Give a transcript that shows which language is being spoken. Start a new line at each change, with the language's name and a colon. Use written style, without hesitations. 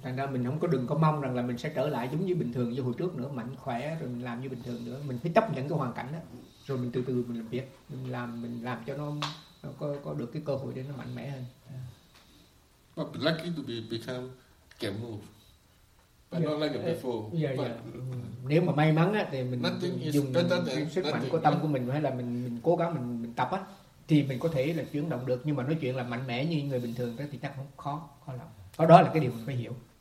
Vietnamese: Thành ra mình không có đừng có mong rằng là mình sẽ trở lại giống như bình thường như hồi trước nữa, mạnh khỏe rồi mình làm như bình thường nữa. Mình phải chấp nhận cái hoàn cảnh đó, rồi mình từ từ mình làm việc, mình làm cho nó có được cái cơ hội để nó mạnh mẽ hơn.
English: But lucky to be become can move, but yeah, not like before. Yeah, but yeah.
Vietnamese: Nếu mà may mắn á thì mình dùng sức mạnh của tâm của mình hay là mình cố gắng mình tập á, thì mình có thể là chuyển động được, nhưng mà nói chuyện là mạnh mẽ như người bình thường đó thì chắc không khó lắm. Có đó là cái điều mình phải hiểu.